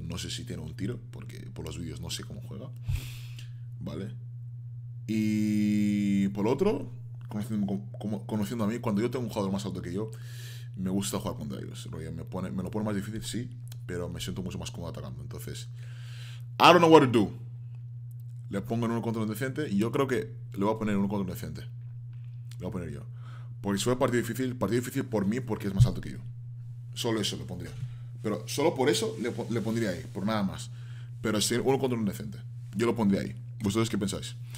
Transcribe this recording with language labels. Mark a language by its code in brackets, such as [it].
[es] No sé si tiene un tiro, porque por los vídeos no sé cómo juega, ¿vale? Y por otro, conociendo a mí, cuando yo tengo un jugador más alto que yo, me gusta jugar contra ellos. Me lo pone más difícil, sí, pero me siento mucho más cómodo atacando. [en] Entonces, I don't know what to do. [es] Le pongo en uno contra uno decente y yo creo que le voy a poner en uno contra uno decente. Le voy a poner yo. Porque si fue partido difícil por mí porque es más alto que yo. Solo eso lo pondría. Pero solo por eso le pondría ahí, por nada más. Pero si uno contra un decente, yo lo pondría ahí. ¿Vosotros qué pensáis?